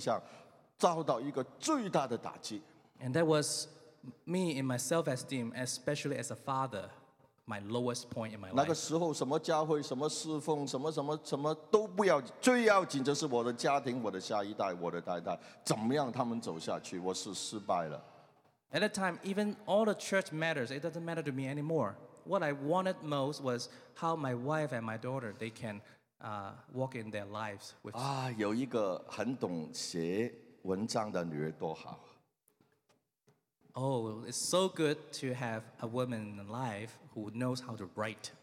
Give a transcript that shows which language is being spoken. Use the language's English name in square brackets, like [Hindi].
[Chinese] 那个是我最低了，就是我父亲的身份跟形象遭到一个最大的打击。 [English] And that was me in my self-esteem, especially as a father, my lowest point in my life. [Chinese] 那个时候什么教会、什么侍奉、什么都不要，最要紧就是我的家庭、我的下一代、我的代代，怎么样他们走下去？我是失败了。 [English] At that time, even all the church matters, it doesn't matter to me anymore. What I wanted most was how my wife and my daughter, they can walk in their lives with. [Chinese] 有一个很懂写文章的女儿多好。 [English] Oh, it's so good to have a woman in life who knows how to write.